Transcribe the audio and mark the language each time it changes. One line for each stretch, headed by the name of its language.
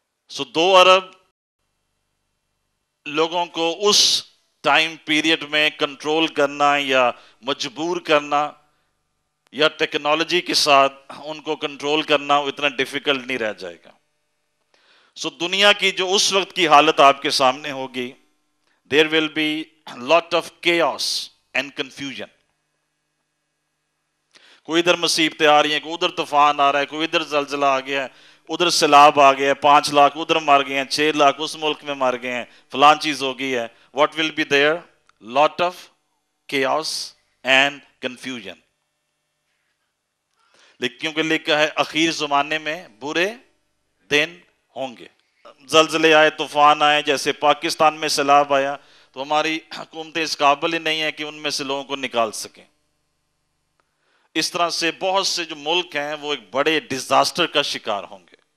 Urdu: سو 2 ارب لوگوں کو اس time period میں کنٹرول کرنا یا مجبور کرنا یا ٹیکنالوجی کے ساتھ ان کو کنٹرول کرنا وہ اتنا ڈیفیکلٹ نہیں رہ جائے گا۔ سو دنیا کی جو اس وقت کی حالت آپ کے سامنے ہوگی،
English: there will be lot of chaos and confusion.
Urdu: کوئی ادھر مصیبتیں آ رہی ہیں, کوئی ادھر طوفان آ رہا ہے, کوئی ادھر زلزلہ آ گیا ہے, ادھر سیلاب آ گیا ہے, 500,000 ادھر مر گئے ہیں, 600,000 اس ملک میں مر گئے ہیں, فلان چیز ہو گئی ہے.
English: What will be there? Lot of chaos and confusion.
Urdu: لکھیوں کے لکھا ہے اخیر زمانے میں برے دن ہوں گے. زلزلے آئے, طوفان آئے, جیسے پاکستان میں سیلاب آیا, تو ہماری حکومتیں اس قابل ہی نہیں ہیں کہ ان میں سے لوگوں کو نکال سکیں. اس طرح سے بہت سے جو ملک ہیں وہ ایک بڑے ڈیزاسٹر کا شکار ہوں گے.